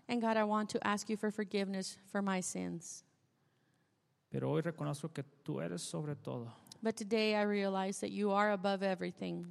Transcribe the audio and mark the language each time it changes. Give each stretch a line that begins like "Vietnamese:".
English: And God, I want to ask you for forgiveness for my sins.
Spanish: Pero hoy reconozco que tú eres sobre todo.
English: But today I realize that you are above everything.